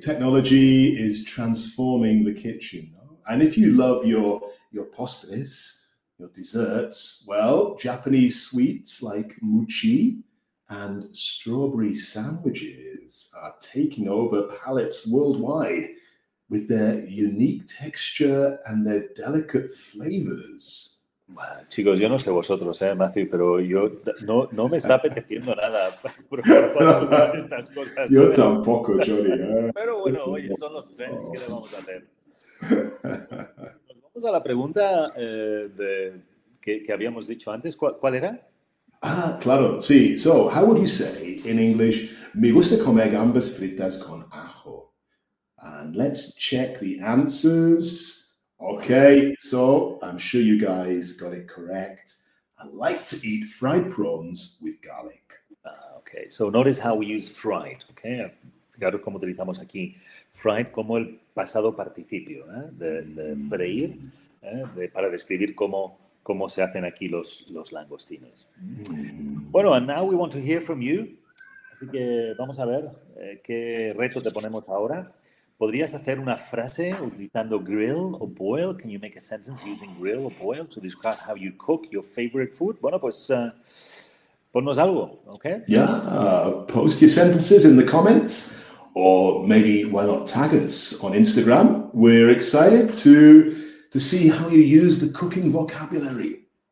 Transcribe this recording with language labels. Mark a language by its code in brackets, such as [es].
[en] Technology is transforming the kitchen. And if you love your pastas, your desserts, well, Japanese sweets like mochi and strawberry sandwiches are taking over palates worldwide with their unique texture and their delicate flavors. [es] Bueno, chicos, yo no sé vosotros, Matthew, pero yo no me está apeteciendo nada por estas cosas. Yo tampoco, Johnny. Pero bueno, oye, son los trends, ¿qué le vamos a hacer? Nos vamos a la pregunta que habíamos dicho antes. ¿Cuál era? Ah, claro, sí. [en] So, how would you say in English, [es] me gusta comer gambas fritas con ajo? [en] And let's check the answers. Okay, so I'm sure you guys got it correct. I like to eat fried prawns with garlic. Okay, so notice how we use fried, okay? [es] Fijaros cómo utilizamos aquí fried como el pasado participio, de freír, para describir cómo se hacen aquí los langostinos. [en] Bueno, and now we want to hear from you. [es] Así que vamos a ver qué reto te ponemos ahora. ¿Podrías hacer una frase utilizando grill o boil? [en] Can you make a sentence using grill or boil to describe how you cook your favorite food? [es] Bueno, pues ponnos algo, okay? [en] Yeah, post your sentences in the comments, or maybe why not tag us on Instagram. We're excited to see how you use the cooking vocabulary.